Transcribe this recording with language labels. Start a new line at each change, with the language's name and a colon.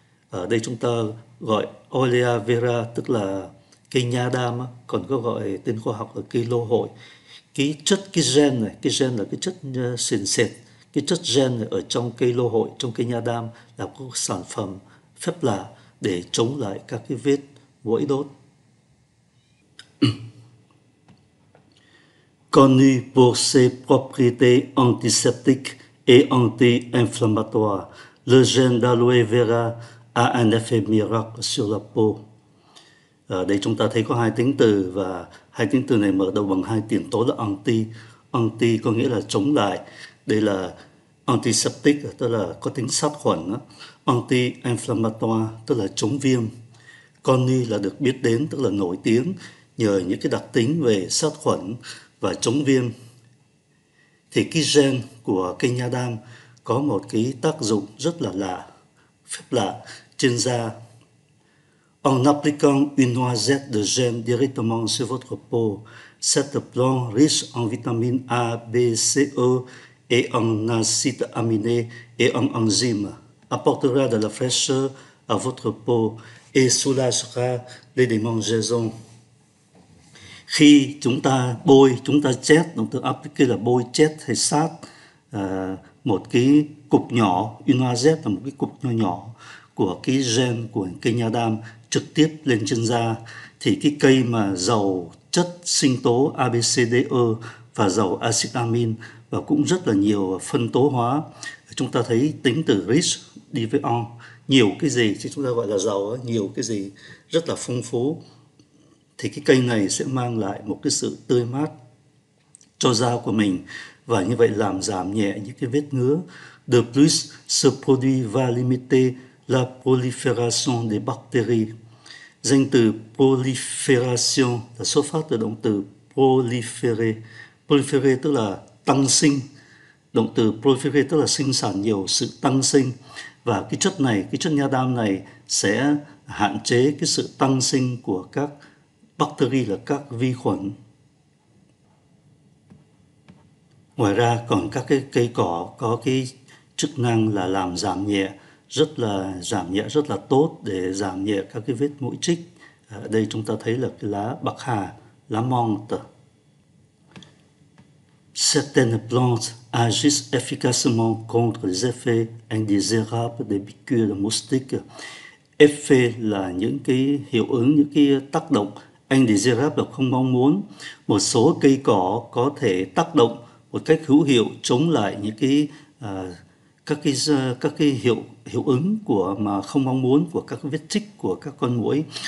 Vietnamese: Ở đây chúng ta gọi Olea vera, tức là cây nha đam, còn có gọi tên khoa học là cây lô hội. Cái chất, cái gen này, cái gen là cái chất sền sệt, cái chất gen này ở trong cây lô hội, trong cây nha đam là có sản phẩm phép lạ để chống lại các cái vết muỗi đốt.
French: Connu pour ses propriétés antiseptiques et anti-inflammatoires, le gène d'aloe vera a un effet miracle sur la peau.
Vietnamese: Ở đây chúng ta thấy có hai tính từ và hai tính từ này mở đầu bằng hai tiền tố là anti. Anti có nghĩa là chống lại. Đây là antiseptic, tức là có tính sát khuẩn. Anti-inflammatoire, tức là chống viêm. Connu là được biết đến, tức là nổi tiếng nhờ những cái đặc tính về sát khuẩn và chống viêm. Thì cái gen của cây nha đam có một cái tác dụng rất là lạ, phép lạ trên da.
French: En appliquant une noisette de gène directement sur votre peau, cette plante riche en vitamines A, B, C, E et en acides aminés et en enzymes apportera de la fraîcheur à votre peau et soulagera les démangeaisons.
Vietnamese: Khi chúng ta bôi, chúng ta chét, động từ áp kia là bôi chét hay sát một cái cục nhỏ, Unoazep là một cái cục nhỏ nhỏ của cái gen của cây nha đam trực tiếp lên trên da, thì cái cây mà giàu chất sinh tố ABCDE và giàu axit amin và cũng rất là nhiều phân tố hóa, chúng ta thấy tính từ rich đi với on, nhiều cái gì thì chúng ta gọi là giàu, nhiều cái gì rất là phong phú, thì cái cây này sẽ mang lại một cái sự tươi mát cho da của mình và như vậy làm giảm nhẹ những cái vết ngứa.
French: De plus, ce produit va limiter la prolifération des bactéries.
Vietnamese: Danh từ prolifération là xuất phát từ động từ proliférer. Proliférer tức là tăng sinh. Động từ proliférer tức là sinh sản nhiều, sự tăng sinh. Và cái chất này, cái chất nha đam này sẽ hạn chế cái sự tăng sinh của các bacteri là các vi khuẩn. Ngoài ra còn các cái cây cỏ có cái chức năng là làm giảm nhẹ rất là tốt để giảm nhẹ các cái vết muỗi chích. Ở đây chúng ta thấy là cái lá bạc hà, lá mong.
French: Certaines plantes agissent efficacement contre les effets indésirables des piqûres de moustiques.
Vietnamese: Effet là những cái hiệu ứng, những cái tác động. Indésirable là không mong muốn. Một số cây cỏ có thể tác động một cách hữu hiệu chống lại những cái các cái hiệu hiệu ứng của mà không mong muốn của các vết chích của các con muỗi.